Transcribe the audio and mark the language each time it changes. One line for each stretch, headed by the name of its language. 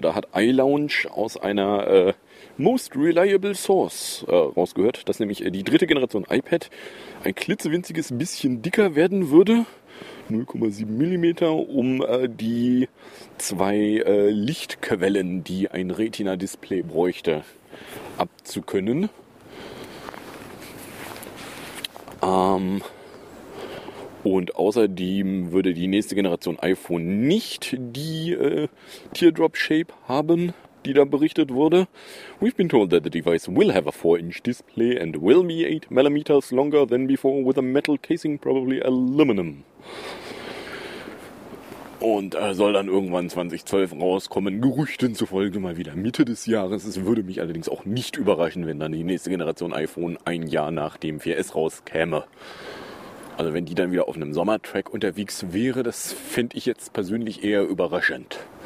German: Da hat iLaunch aus einer...
English: Most Reliable Source
German: rausgehört, dass nämlich die dritte Generation iPad ein klitzewinziges bisschen dicker werden würde, 0,7 mm, um die zwei Lichtquellen, die ein Retina-Display bräuchte, abzukönnen. Und außerdem würde die nächste Generation iPhone nicht die Teardrop-Shape haben, die da berichtet wurde.
English: We've been told that the device will have a 4-inch display and will be 8 millimeters longer than before with a metal casing, probably aluminum.
German: Und soll dann irgendwann 2012 rauskommen. Gerüchten zufolge mal wieder Mitte des Jahres. Es würde mich allerdings auch nicht überraschen, wenn dann die nächste Generation iPhone ein Jahr nach dem 4S rauskäme. Also wenn die dann wieder auf einem Sommertrack unterwegs wäre, das finde ich jetzt persönlich eher überraschend.